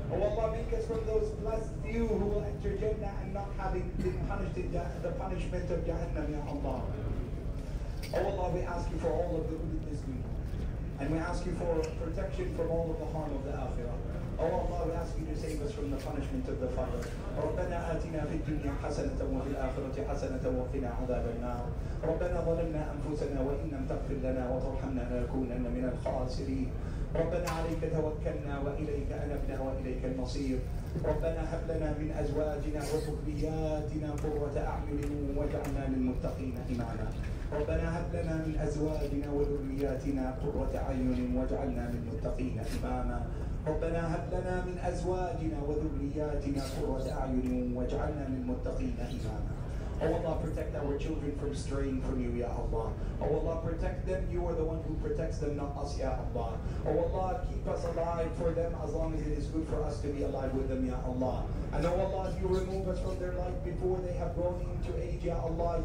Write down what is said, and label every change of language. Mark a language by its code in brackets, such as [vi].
[en] Oh Allah, make us from those blessed few who will enter Jannah and not having been punished in the punishment of Jahannam, Ya Allah. Oh Allah, we ask you for all of the good in this dunya. And we ask you for protection from all of the harm of the Akhirah. Oh Allah, we ask you to save us from the punishment of the fire. [ar] ربنا آتنا في الدنيا حسنة وفي الآخرة حسنة وقنا عذاب النار. ربنا ظلمنا أنفسنا وإن لم تغفر لنا وترحمنا لنكونن من الخاسرين. ربنا عليك توكلنا وإليك أنبنا وإليك المصير. ربنا هب لنا من أزواجنا وذرياتنا قرة أعين واجعلنا للمتقين إماما. ربنا هب لنا من أزواجنا وذرياتنا قرة أعين واجعلنا للمتقين إماما. ربنا هب لنا من أزواجنا وذرياتنا قرة أعين واجعلنا للمتقين إماما. [en] Oh Allah, protect our children from straying from you, Ya Allah. Oh Allah, protect them. You are the one who protects them, not us, Ya Allah. Oh Allah, keep us alive for them as long as it is good for us to be alive with them, Ya Allah. And oh Allah, you remove us from their life before they have grown into age, Ya Allah.